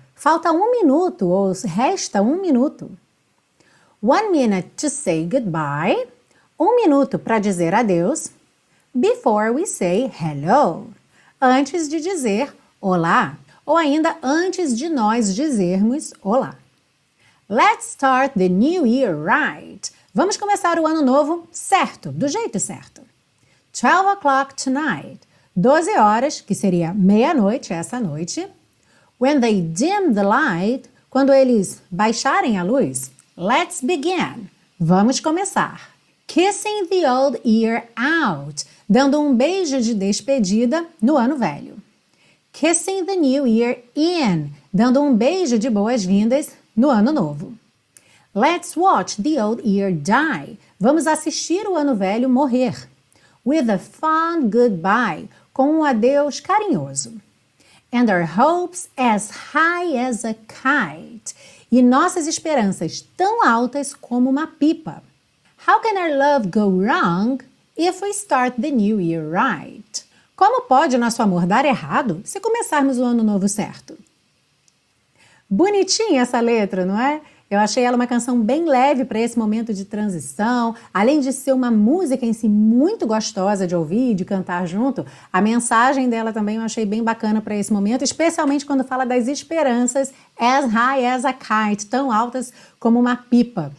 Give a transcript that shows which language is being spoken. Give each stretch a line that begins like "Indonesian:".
Portuguese: Falta 1 minuto ou resta 1 minuto.
English: 1 minute to say goodbye.
Portuguese: 1 minuto para dizer adeus.
English: Before we say hello.
Portuguese: Antes de dizer olá. Ou ainda antes de nós dizermos olá.
English: Let's start the new year right.
Portuguese: Vamos começar o ano novo certo, do jeito certo.
English: 12 o'clock tonight.
Portuguese: 12 horas, que seria meia-noite essa noite.
English: When they dim the light,
Portuguese: quando eles baixarem a luz.
English: Let's begin.
Portuguese: Vamos começar.
English: Kissing the old year out.
Portuguese: Dando um beijo de despedida no ano velho.
English: Kissing the new year in.
Portuguese: Dando um beijo de boas-vindas no ano novo.
English: Let's watch the old year die.
Portuguese: Vamos assistir o ano velho morrer.
English: With a fond goodbye.
Portuguese: Com um adeus carinhoso.
English: And our hopes as high as a kite.
Portuguese: E nossas esperanças tão altas como uma pipa.
English: How can our love go wrong if we start the new year right?
Portuguese: Como pode o nosso amor dar errado se começarmos o ano novo certo? Bonitinha essa letra, não é? Eu achei ela uma canção bem leve para esse momento de transição. Além de ser uma música em si muito gostosa de ouvir e de cantar junto, a mensagem dela também eu achei bem bacana para esse momento, especialmente quando fala das esperanças
English: as high as a kite,
Portuguese: tão altas como uma pipa.